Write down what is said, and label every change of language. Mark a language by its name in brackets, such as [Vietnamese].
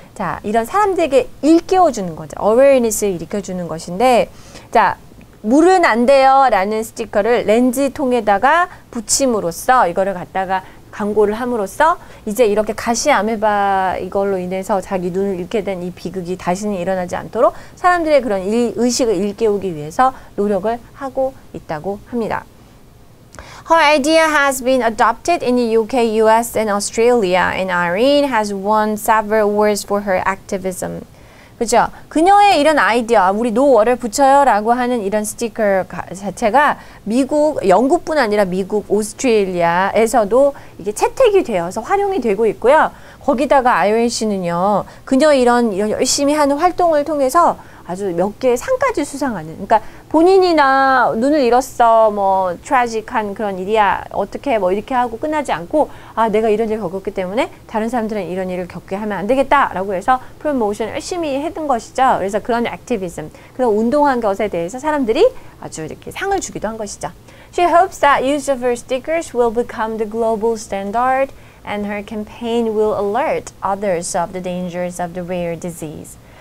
[Korean] 자, 이런 사람들에게 일깨워주는 거죠. awareness를 일으켜주는 것인데, 자, 물은 안 돼요 라는 스티커를 렌즈 통에다가 붙임으로써 이거를 갖다가 광고를 함으로써 이제 이렇게 가시아메바 이걸로 인해서 자기 눈을 잃게 된 이 비극이 다시는 일어나지 않도록 사람들의 그런 의식을 일깨우기 위해서 노력을 하고 있다고 합니다. [English] Her idea has been adopted in the UK, US and Australia and Irene has won several awards for her activism. [Korean] 그죠? 그녀의 이런 아이디어, 우리 노워를 붙여요 라고 하는 이런 스티커 자체가 미국, 영국뿐 아니라 미국, 오스트레일리아에서도 이게 채택이 되어서 활용이 되고 있고요. 거기다가 아이린 씨는요, 그녀 이런 열심히 하는 활동을 통해서 아주 몇 개의 상까지 수상하는, 그러니까 본인이나 눈을 잃었어, 뭐 트라직한 그런 일이야, 어떻게 뭐 이렇게 하고 끝나지 않고, 아, 내가 이런 일을 겪었기 때문에 다른 사람들은 이런 일을 겪게 하면 안 되겠다 라고 해서 프로모션 열심히 했던 것이죠. 그래서 그런 액티비즘, 그런 운동한 것에 대해서 사람들이 아주 이렇게 상을 주기도 한 것이죠. [English] She hopes that use of her stickers will become the global standard and her campaign will alert others of the dangers of the rare disease.